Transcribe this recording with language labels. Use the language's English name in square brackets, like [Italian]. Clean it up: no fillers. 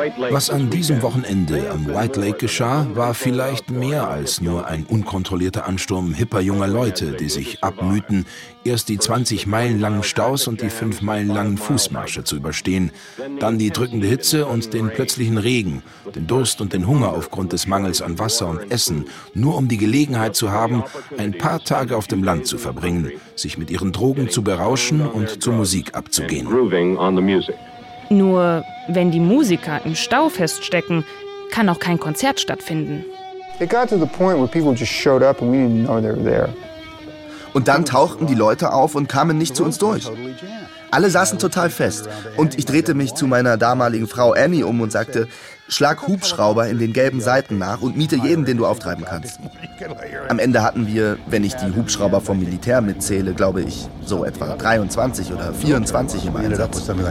[German] Was an diesem Wochenende am White Lake geschah, war vielleicht mehr als nur ein unkontrollierter Ansturm hipper junger Leute, die sich abmühten, erst die 20 Meilen langen Staus und die 5 Meilen langen Fußmärsche zu überstehen, dann die drückende Hitze und den plötzlichen Regen, den Durst und den Hunger aufgrund des Mangels an Wasser und Essen, nur um die Gelegenheit zu haben, ein paar Tage auf dem Land zu verbringen, sich mit ihren Drogen zu berauschen und zur Musik abzugehen. Nur wenn die Musiker im Stau feststecken, kann auch kein Konzert stattfinden. [English] It got to the point where people just showed up and we didn't know they were there. [German] Und dann tauchten die Leute auf und kamen nicht zu uns durch. Alle saßen total fest und ich drehte mich zu meiner damaligen Frau Annie um und sagte: Schlag Hubschrauber in den gelben Seiten nach und miete jeden, den du auftreiben kannst. Am Ende hatten wir, wenn ich die Hubschrauber vom Militär mitzähle, glaube ich, so etwa 23 oder 24 im Einsatz.